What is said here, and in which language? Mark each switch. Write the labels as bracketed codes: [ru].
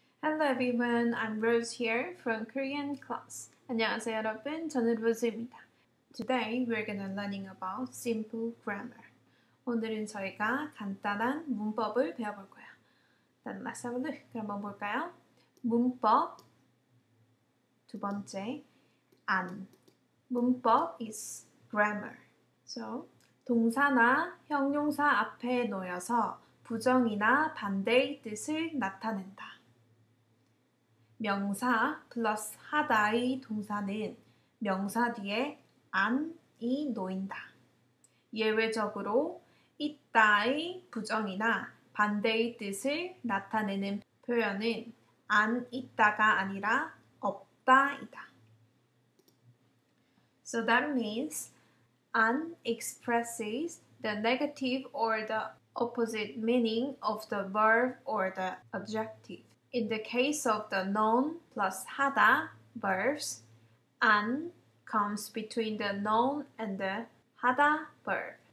[en] Hello everyone, I'm Rose here from Korean class. [ko] 안녕하세요 여러분, 저는 로즈입니다. [en] Today we're going to learning about simple grammar. [ko] 오늘은 저희가 간단한 문법을 배워볼 거예요. [en] Then let's have a look. [ko] 그럼 한번 볼까요? 문법, 두 번째, 안. [en] 문법 is grammar. [ko] So, 동사나 형용사 앞에 놓여서 부정이나 반대의 뜻을 나타낸다. 명사 plus 하다의 동사는 명사 뒤에 안이 놓인다. 예외적으로 있다의 부정이나 반대의 뜻을 나타내는 표현은 안 있다가 아니라 없다이다. [en] So that means an expresses the negative or the opposite meaning of the verb or the adjective. In the case of the noun plus 하다 verbs, an comes between the noun and the 하다 verb.